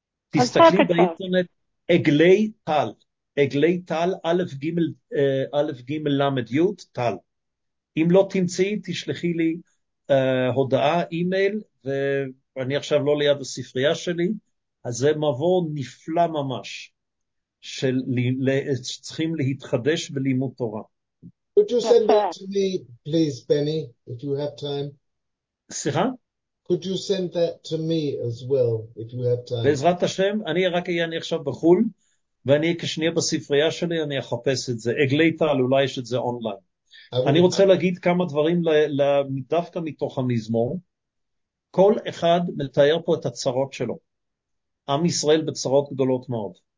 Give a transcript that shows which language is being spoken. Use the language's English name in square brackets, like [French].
[Hebrew] תסתכלי באינטרנט, עגלי טל. עגלי טל, א' ג' למד י' טל. אם לא תמצאי, תשלחי לי הודעה, אימייל, ואני עכשיו לא ליד הספרייה שלי, אז זה מבוא נפלא ממש, שצריכים להתחדש בלימוד תורה. [English] Could you send that to me, please, Benny, if you have time? [Hebrew] סליחה? [English] Could you send that to me as well, if you have time? [Hebrew] בעזרת השם, אני עכשיו בחול, ואני כשנייה בספרייה שלי, אני אחפש את זה. עגלי טל, אולי יש את זה אונליין. אני רוצה להגיד כמה דברים דווקא מתוך המזמור. כל אחד מתאר פה את הצרות שלו. עם ישראל בצרות גדולות מאוד.